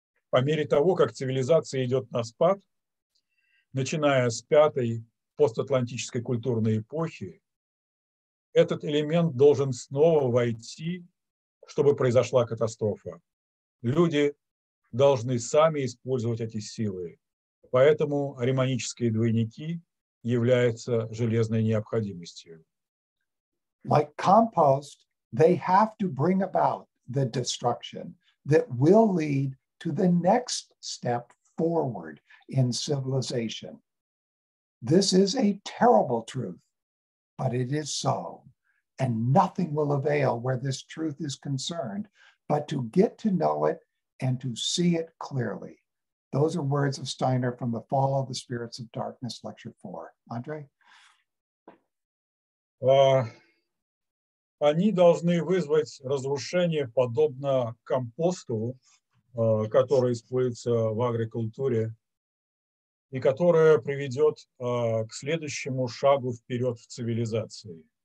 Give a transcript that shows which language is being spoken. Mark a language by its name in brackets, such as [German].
[Russian] По мере того, как цивилизация идет на спад, начиная с пятой постатлантической культурной эпохи, этот элемент должен снова войти, чтобы произошла катастрофа. Люди должны сами использовать эти силы, поэтому аримонические двойники являются железной необходимостью. [English] Like compost, they have to bring about the destruction that will lead to the next step forward in civilization. This is a terrible truth, but it is so. And nothing will avail where this truth is concerned, but to get to know it and to see it clearly. Those are words of Steiner from The Fall of the Spirits of Darkness, Lecture 4. Andre? [Russian] Они должны вызвать разрушение, подобно компосту, который используется в агрокультуре, и которое приведет к следующему шагу вперед в цивилизации.